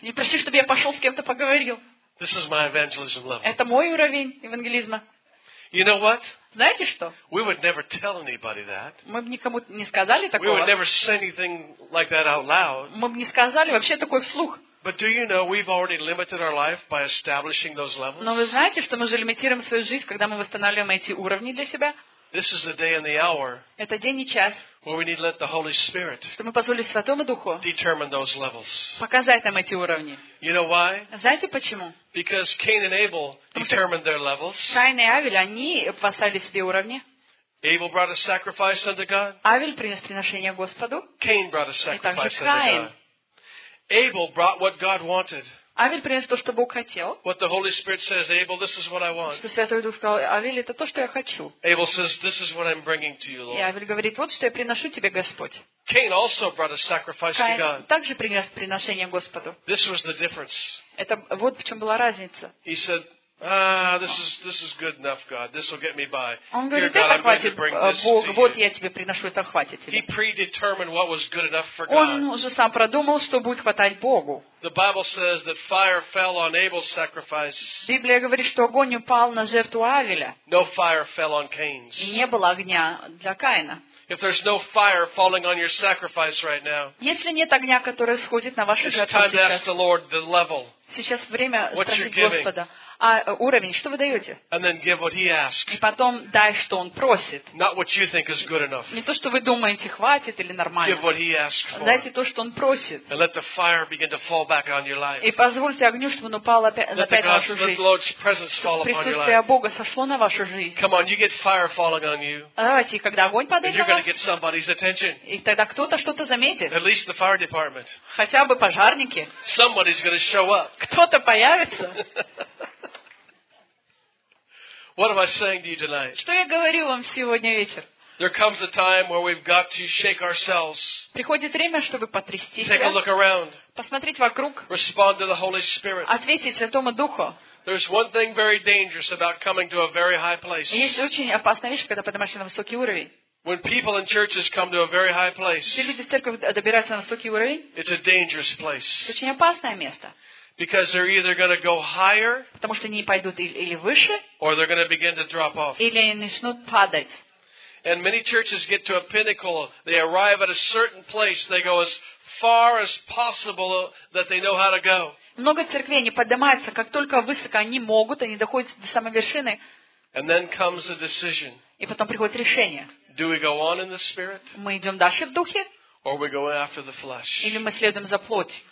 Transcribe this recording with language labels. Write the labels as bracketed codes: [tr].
[ru] Не проси, чтобы я пошел с кем-то поговорил. [en] This is my evangelism level. [ru] Это мой уровень евангелизма. [en] You know what? [ru] Знаете что? [en] We would never tell anybody that. [ru] Мы бы никому не сказали такого. [en] We would never say anything like that out loud. [ru] Мы бы не сказали вообще такой вслух. [en] But do you know we've already limited our life by establishing those levels? [ru] Но вы знаете, что мы же лимитируем свою жизнь, когда мы восстанавливаем эти уровни для себя? [en] This is the day and the hour. [ru] Это день и час. [en] Where we need to let the Holy Spirit. [ru] Что мы позволим Святому Духу? [en] Determine those levels. [ru] Показать нам эти уровни. [en] You know why? [ru] Знаете почему? [en] Because Cain and Abel determined their levels. [ru] Каин и Авель, они поставили себе уровни. [en] Abel brought a sacrifice unto God. [ru] Авель принес приношение Господу. [en] Cain brought a sacrifice unto God. Abel brought what God wanted. [ru] Авель принес то, что Бог хотел. [en] What the Holy Spirit says, Abel, this is what I want. [ru] Что Святой Дух сказал, Авель, это то, что я хочу. [en] Abel says, this is what I'm bringing to you, Lord. [ru] И Авель говорит, вот что я приношу тебе, Господь. [en] Cain also brought a sacrifice to God. [ru] Также принес приношение Господу. [en] This was the difference. [ru] Это вот в чем была разница. [en] He said, this is good enough, God. This will get me by. [ru] Он говорит, это хватит, Бог. Вот я тебе приношу, это хватит тебе. [en] He predetermined what was good enough for God. [ru] Он уже сам продумал, что будет хватать Богу. [en] The Bible says that fire fell on Abel's sacrifice. [ru] Библия говорит, что огонь упал на жертву Авеля. [en] No fire fell on Cain's. [ru] И не было огня для Каина. [en] If there's no fire falling on your sacrifice right now, [ru] если нет огня, который сходит на вашу жертву сейчас, [en] it's time to ask the Lord the level. [ru] Сейчас время спросить Господа. А уровень, что вы даете? [en] And then give what he asks. [ru] И потом дай, что он просит. [en] Not what you think is good enough. [ru] Не то, что вы думаете, хватит или нормально. [en] Give what he asks for. [ru] Дайте то, что он просит. [en] And let the fire begin to fall back on your life. [ru] И позвольте огню, чтобы он упал опять на вашу жизнь. [en] Let the Lord's presence fall upon your life. [ru] Присутствие Бога сошло на вашу жизнь. [en] Come on, you get fire falling on you. [ru] Давайте, когда огонь падает на вас, [en] you're going to get somebody's attention. [ru] И тогда кто-то что-то заметит. [en] At least the fire department. [ru] Хотя бы пожарники. [en] Somebody's going to show up. [ru] Кто-то появится. [en] What am I saying to you tonight? [ru] Что я говорю вам сегодня вечер? [en] There comes a time where we've got to shake ourselves. [ru] Приходит время, чтобы потрясти себя. [en] Take a look around. [ru] Посмотреть вокруг. [en] Respond to the Holy Spirit. [ru] Ответить Святому Духу. [en] There's one thing very dangerous about coming to a very high place. [ru] Есть очень опасная вещь, когда поднимаешься на высокий уровень. [en] When people in churches come to a very high place. [ru] Если люди в церковь добираются на высокий уровень. [en] It's a dangerous place. [ru] Очень опасное место. [en] Because they're either going to go higher, [ru] потому что они пойдут или выше, [en] or they're going to begin to drop off. [ru] Или начнут падать. [en] And many churches get to a pinnacle. They arrive at a certain place. They go as far as possible that they know how to go. [ru] Много церквей они поднимаются, как только высоко они могут, они доходят до самой вершины. [en] And then comes the decision. [ru] И потом приходит решение. [en] Do we go on in the spirit? [ru] Мы идем дальше в духе? [en] Or we go after the flesh? [ru] Или мы следуем за плотью?